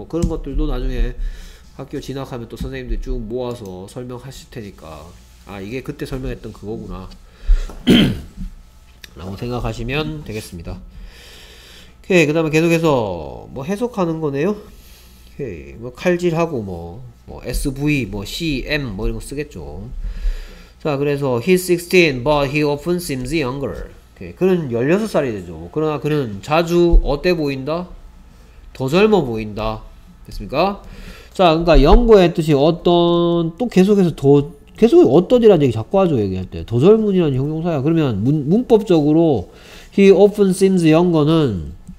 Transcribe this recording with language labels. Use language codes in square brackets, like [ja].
[ko] 뭐 그런 것들도 나중에 학교 진학하면 또 선생님들이 쭉 모아서 설명하실 테니까 아 이게 그때 설명했던 그거구나 라고 생각하시면 되겠습니다. 오케이, 그 다음에 계속해서 뭐 해석하는 거네요. 오케이, 뭐 칼질하고 뭐 SV, 뭐 CM 뭐 이런 거 쓰겠죠. 자, 그래서 [en] he's 16 but he often seems younger. [ko] 오케이. 그는 16살이 되죠. 그러나 그는 자주 어때 보인다? 더 젊어 보인다. 됐습니까? 자, 그러니까 영어의 뜻이 어떤 또 계속해서 더 계속 어떤이라는 얘기 자꾸 하죠. 얘기할 때 더 젊은이라는 형용사야. 그러면 문법적으로 [en] he often seems younger [ko] 는